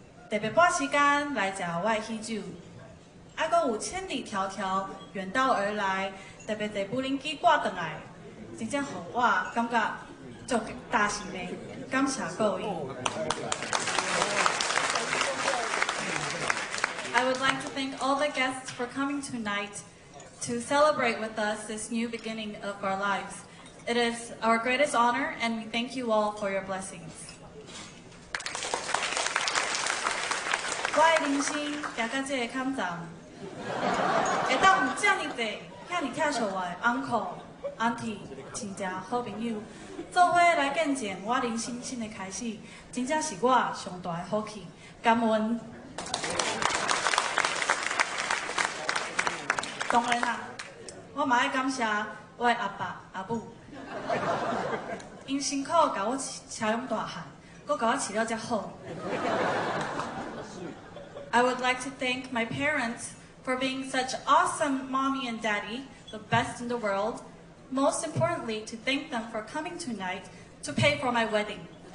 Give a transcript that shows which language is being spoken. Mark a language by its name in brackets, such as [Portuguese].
[Min Nan Chinese] 特别半时间来吃我的喜酒，还有千里迢迢远道而来，特别坐布林机挂回来，真正让我感觉足大心的，感谢各位。 [English] I would like to thank all the guests for coming tonight to celebrate with us this new beginning of our lives. It is our greatest honor, and we thank you all for your blessings. [Min Nan Chinese] 我的人生走到这个坎站，会当有这么多这么疼惜我的 uncle、auntie、亲戚、好朋友，做伙来见证我人生新的开始，真正是我上大的福气，感恩。当然啦，我嘛爱感谢我的阿爸阿母，因辛苦教我长大汉，佮教我饲了这好。 [English] I would like to thank my parents for being such awesome mommy and daddy, the best in the world. Most importantly, to thank them for coming tonight to pay for my wedding.